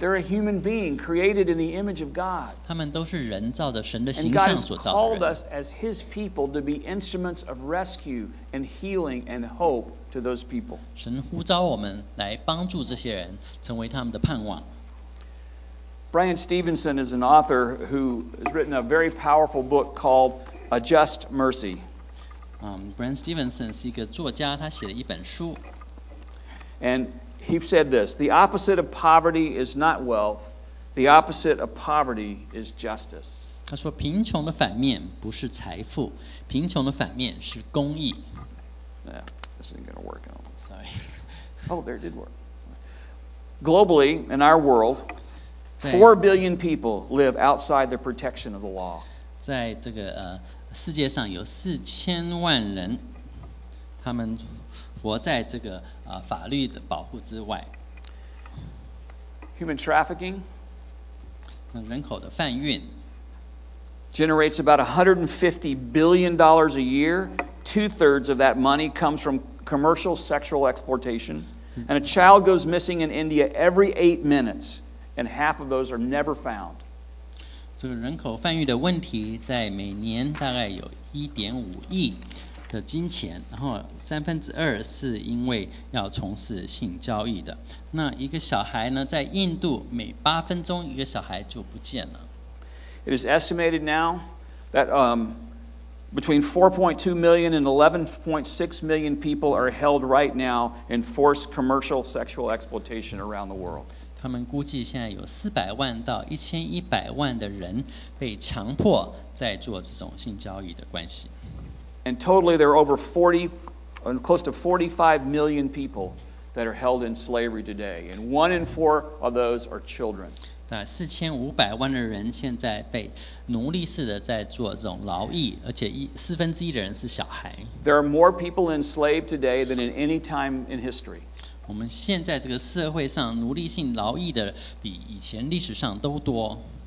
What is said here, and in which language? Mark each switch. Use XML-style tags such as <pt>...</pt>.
<en>They're a human being created in the image of God.</en> <zh>他们都是人造的，神的形象所造的人。</zh> <en>And God has called us as His people to be instruments of rescue and healing and hope to those people.</en> <zh>神呼召我们来帮助这些人，成为他们的盼望。</zh> <en>Bryan Stevenson is an author who has written a very powerful book called A Just Mercy.</en> <zh>Bryan Stevenson 是一个作家，他写了一本书。</zh> <en>And he said this, the opposite of poverty is not wealth, the opposite of poverty is justice.</en> <zh>他说贫穷的反面不是财富，贫穷的反面是公义。</zh> <en>Yeah, this isn't going to work. Sorry. Oh, there it did work. Globally, in our world, 4 billion people live outside the protection of the law.</en> <zh>在这个世界上有四千万人，他们活在这个法律的保护之外。</zh> <en>Human trafficking.</en> <zh>人口的贩运。</zh> <en>Generates about $150 billion a year. Two-thirds of that money comes from commercial sexual exploitation. And a child goes missing in India every 8 minutes. And half of those are never found.</en> <zh>这个人口贩运的问题，在每年大概有1.5亿的金钱，然后三分之二是因为要从事性交易的。那一个小孩呢，在印度每8分钟一个小孩就不见了。</zh> <en>It is estimated now that between 4.2 million and 11.6 million people are held right now in forced commercial sexual exploitation around the world.</en> <zh>他们估计现在有400万到1100万的人被强迫在做这种性交易的关系。</zh> <en>And totally, there are over 40, close to 45 million people that are held in slavery today, and 1 in 4 of those are children.</en> <zh>那4500万的人现在被奴隶式的在做这种劳役，而且1/4的人是小孩。</zh> <en>There are more people enslaved today than at any time in history.</en> <zh>我们现在这个社会上奴隶性劳役的比以前历史上都多。</zh>